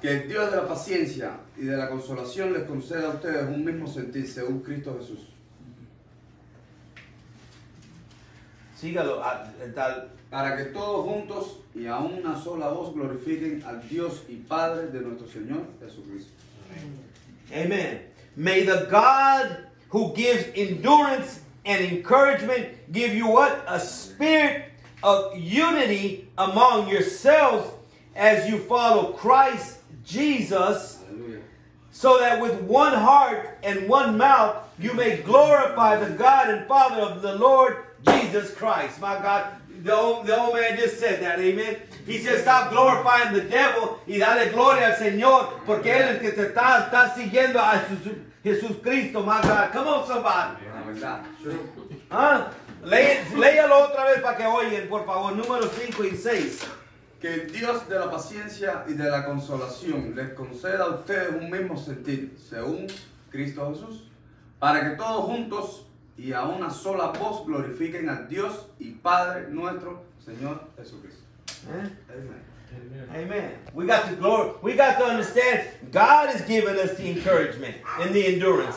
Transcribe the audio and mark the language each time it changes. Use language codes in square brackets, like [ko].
[es] Que el Dios de la paciencia y de la consolación les conceda a ustedes un mismo sentir según Cristo Jesús. Sígalo. Para que todos juntos y a una sola voz glorifiquen al Dios y Padre de nuestro Señor Jesucristo. [en] Amen. May the God who gives endurance and encouragement give you what? A spirit of unity among yourselves as you follow Christ Jesus. Hallelujah. So that with one heart and one mouth you may glorify the God and Father of the Lord Jesus Christ. My God, the old man just said that, amen. He said, stop glorifying the devil [es] y dale gloria al Señor porque él es que te está siguiendo a Jesús Cristo, [en] my God. Come on, somebody. Huh? [es] Léalo otra vez para que oigan, por favor. Número 5 y 6. Que el Dios de la paciencia y de la consolación les conceda a ustedes un mismo sentir, según Cristo Jesús, para que todos juntos y a una sola voz glorifiquen a Dios y Padre nuestro Señor Jesucristo. [en] ¿Eh? Amen. Amen. We got to glory. We got to understand God is giving us the encouragement and the endurance.